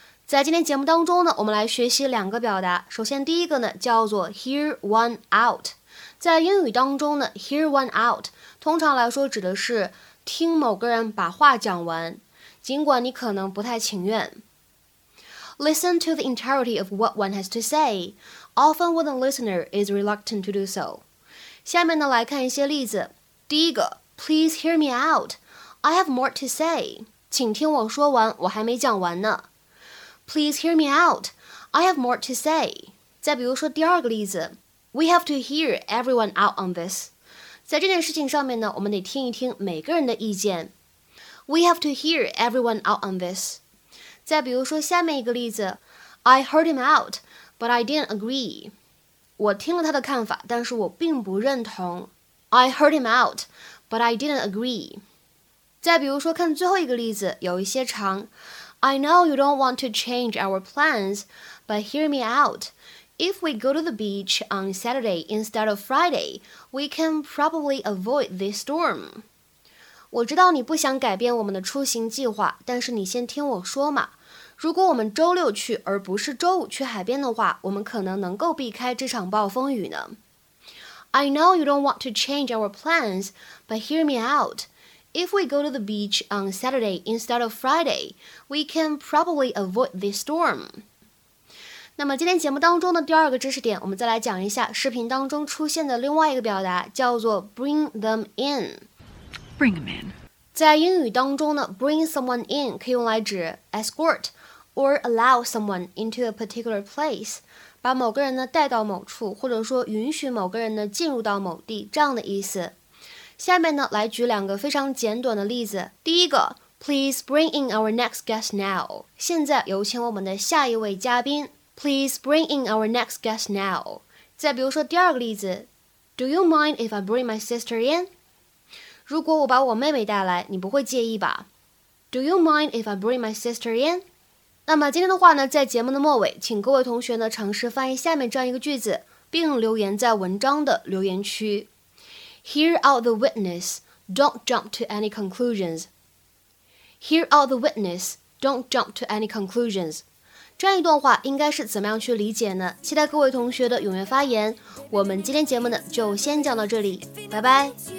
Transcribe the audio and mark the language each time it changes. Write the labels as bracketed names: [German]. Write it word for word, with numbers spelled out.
[Chinese] 在今天节目当中呢，我们来学习两个表达。首先，第一个呢叫做 hear one out。在英语当中呢 ，hear one out 通常来说指的是听某个人把话讲完，尽管你可能不太情愿。 [English] Listen to the entirety of what one has to say, often when the listener is reluctant to do so. [Chinese] 下面呢来看一些例子。第一个 [English] ，Please hear me out. I have more to say. [Chinese] 请听我说完，我还没讲完呢。 [English] Please hear me out. I have more to say. [Chinese] 再比如说第二个例子 [English] ，We have to hear everyone out on this. [Chinese] 在这件事情上面呢，我们得听一听每个人的意见。 [English] We have to hear everyone out on this. [Chinese] 再比如说下面一个例子 [English] ，I heard him out, but I didn't agree. [Chinese] 我听了他的看法，但是我并不认同。 [English] I heard him out, but I didn't agree. [Chinese] 再比如说看最后一个例子，有一些长 [English] I know you don't want to change our plans, but hear me out. If we go to the beach on Saturday instead of Friday, we can probably avoid this storm. [Chinese] 我知道你不想改变我们的出行计划，但是你先听我说嘛。如果我们周六去而不是周五去海边的话，我们可能能够避开这场暴风雨呢。 [English] I know you don't want to change our plans, but hear me out. If we go to the beach on Saturday instead of Friday, we can probably avoid this storm. [Chinese] 那么今天节目当中的第二个知识点，我们再来讲一下视频当中出现的另外一个表达，叫做 bring them in. [English] Bring them in. [Chinese] 在英语当中呢 ，bring someone in 可以用来指 [English] escort or allow someone into a particular place， [Chinese] 把某个人呢带到某处，或者说允许某个人呢进入到某地，这样的意思。下面呢，来举两个非常简短的例子。第一个 [English] ，Please bring in our next guest now。 [Chinese] 现在有请我们的下一位嘉宾。 [English] Please bring in our next guest now。 [Chinese] 再比如说第二个例子 [English] ，Do you mind if I bring my sister in？ [Chinese] 如果我把我妹妹带来，你不会介意吧 [English] ？Do you mind if I bring my sister in？ [Chinese] 那么今天的话呢，在节目的末尾，请各位同学呢尝试翻译下面这样一个句子，并留言在文章的留言区。 [English] Hear out the witness, don't jump to any conclusions. Hear out the witness, don't jump to any conclusions. [Chinese] 这样一段话应该是怎么样去理解呢？期待各位同学的踊跃发言。我们今天节目呢就先讲到这里，拜拜。